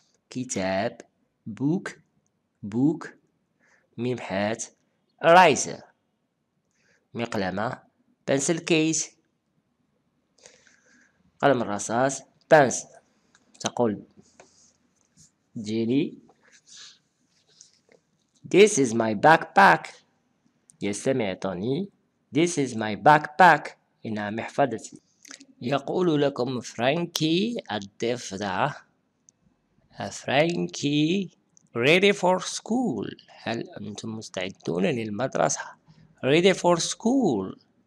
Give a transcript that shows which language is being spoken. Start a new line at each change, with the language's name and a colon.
Arabic: كتاب بوك بوك. ممحات رايزر. مقلمة بنسل كيس. قلم الرصاص بنس، تقول جيني
English: This is my backpack.
Arabic: يستمع توني
English: This is my backpack.
Arabic: إنها محفظتي. يقول لكم فرانكي الضفدع، فرانكي
English: ready for school،
Arabic: هل أنتم مستعدون للمدرسة؟ ready for school.